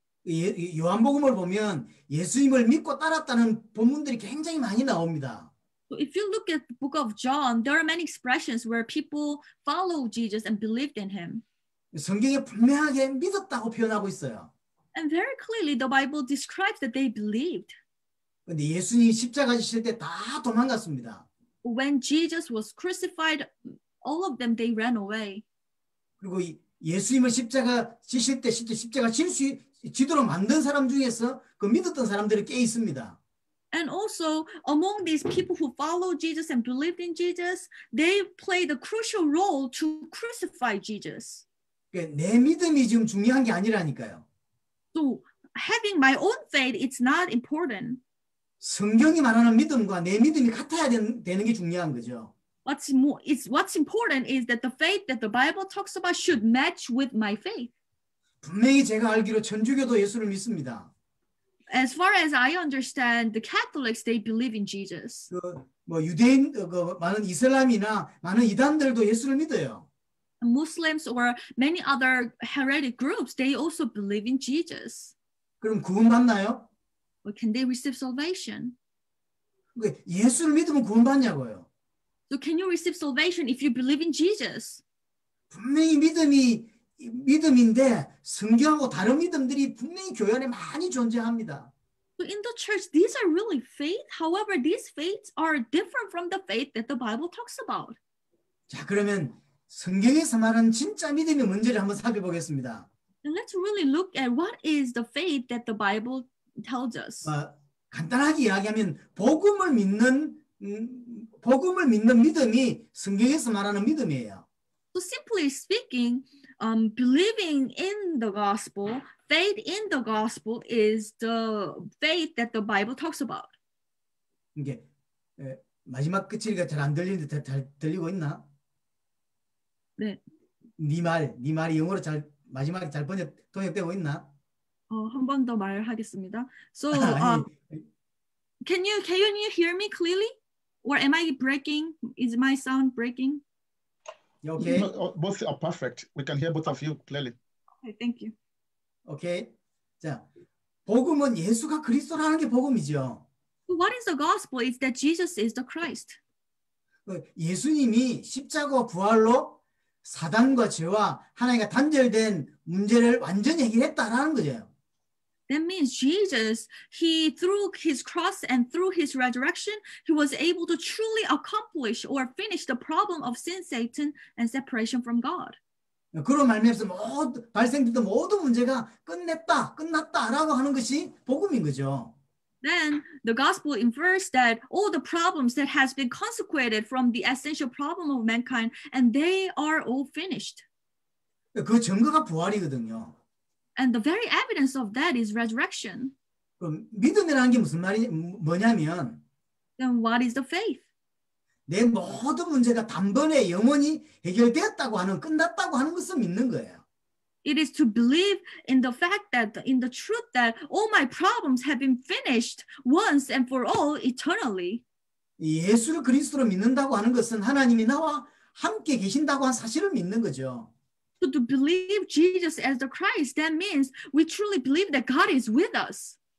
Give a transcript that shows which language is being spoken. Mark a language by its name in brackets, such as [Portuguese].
[Korean] 요한복음을 보면 예수님을 믿고 따랐다는 본문들이 굉장히 많이 나옵니다. [English] If you look at the book of John, there are many expressions where people follow Jesus and believed in him. [Korean] 성경에 분명하게 믿었다고 표현하고 있어요. [English] And very clearly, the Bible describes that they believed. [Korean] 근데 예수님이 십자가 지실 때 다 도망갔습니다. [English] When Jesus was crucified, all of them, they ran away. [Korean] 그리고 예수님을 십자가 지실 때 실제 십자가 질 수 지도록 만든 사람 중에서 그 믿었던 사람들이 꽤 있습니다. [English] And also, among these people who followed Jesus and believed in Jesus, they played a crucial role to crucify Jesus. [Korean] 내 믿음이 지금 중요한 게 아니라니까요. [English] So, having my own faith, it's not important. [Korean] 성경이 말하는 믿음과 내 믿음이 같아야 되는 게 중요한 거죠. [English] What's important is that the faith that the Bible talks about should match with my faith. [Korean] 분명히 제가 알기로 천주교도 예수를 믿습니다. [English] As far as I understand, the Catholics, they believe in Jesus. [Korean] 그, 뭐 유대인, 그, 많은 이슬람이나 많은 이단들도 예수를 믿어요. [English] Muslims or many other heretic groups, they also believe in Jesus. [Korean] 그럼 구원 받나요? [English] But can they receive salvation? [Korean] 예수를 믿으면 구원 받냐고요. [English] So can you receive salvation if you believe in Jesus? [Korean] 분명히 믿음이 믿음인데 성경하고 다른 믿음들이 분명히 교회 안에 많이 존재합니다. [English] So in the church, these are really faith. However, these faiths are different from the faith that the Bible talks about. [Korean] 자, 그러면 성경에서 말하는 진짜 믿음의 문제를 한번 살펴보겠습니다. [English] And let's really look at what is the faith that the Bible tells us. [Korean] 간단하게 이야기하면 복음을 믿는 믿음이 성경에서 말하는 믿음이에요. [English] So simply speaking, believing in the gospel, faith in the gospel is the faith that the Bible talks about. [Korean] 이게 마지막 끝이 잘 안 들리는데 잘 들리고 있나? 네. 네 말이 영어로 잘 마지막에 잘 번역 통역되고 있나? 한 번 더 말하겠습니다. [English] So, can you hear me clearly? Or am I breaking? Is my sound breaking? Okay. Both are perfect. We can hear both of you clearly. Okay, thank you. Okay. [Korean] 자, 복음은 예수가 그리스도라는 게 복음이죠. [English] What is the gospel? It's that Jesus is the Christ. [Korean] 예수님이 십자가 부활로 사단과 죄와 하나님과 단절된 문제를 완전히 해결했다라는 거죠. [English] That means Jesus, he through his cross and through his resurrection, he was able to truly accomplish or finish the problem of sin, Satan, and separation from God. [Korean] 그런 말미암아서 발생된 모든 문제가 끝났다라고 하는 것이 복음인 거죠. [English] Then the gospel infers that all the problems that has been consecrated from the essential problem of mankind, and they are all finished. [Korean] 그 증거가 부활이거든요. [English] And the very evidence of that is resurrection. [Korean] 그럼 믿음이라는 게 무슨 말이 뭐냐면 [English] Then what is the faith? [Korean] 내 모든 문제가 단번에 영원히 해결되었다고 하는 끝났다고 하는 것을 믿는 거예요. [English] It is to believe in the fact that in the truth that all my problems have been finished once and for all eternally. [Korean] 예수를 그리스도로 믿는다고 하는 것은 하나님이 나와 함께 계신다고 하는 사실을 믿는 거죠. [English] So to believe Jesus as the Christ, that means we truly believe that God is with us.